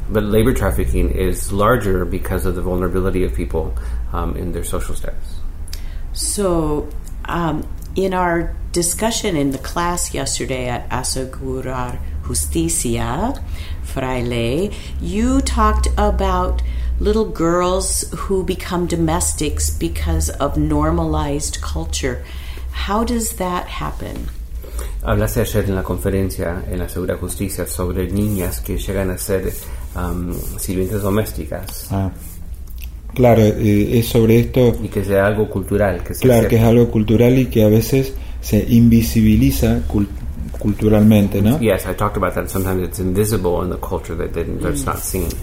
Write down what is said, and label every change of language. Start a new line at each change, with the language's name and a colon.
English: But labor trafficking is larger because of the vulnerability of people in their social status. So, in our discussion in the class yesterday at Asegurar Justicia, Fraile, you talked about little girls who become domestics because of normalized culture. How does that happen?
Spanish: Hablaste ayer en la conferencia en la Segura Justicia sobre niñas que llegan a ser sirvientes domésticas. Claro, es sobre esto. Y que sea algo cultural. Que sea claro, que es algo cultural y que a veces se invisibiliza culturalmente, ¿no?
English: Yes, I talked about that. Sometimes it's invisible in the culture that it's not seen.